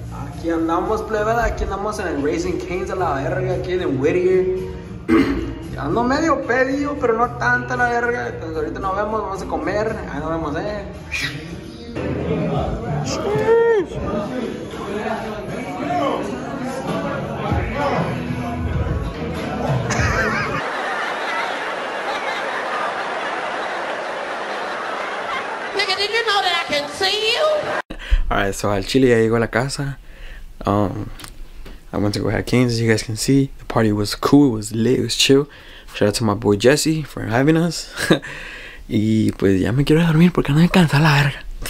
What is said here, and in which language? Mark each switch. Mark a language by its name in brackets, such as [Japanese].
[Spanish] Aquí andamos, plebada, aquí andamos en el Raising Cane's de la verga, aquí en Whittier. Ya ando medio pedido, pero no tanta la verga. Entonces ahorita nos vemos, vamos a comer, ahí nos vemos, [English] Nigga, did you know that I can see you? Alright, so [Spanish] al chile ya llegó a la casa. [English] I went to go have Canes, as you guys can see. The party was cool, it was lit, it was chill. Shout out to my boy Jesse for having us. [Spanish] Y pues ya me quiero dormir porque no me cansa la verga.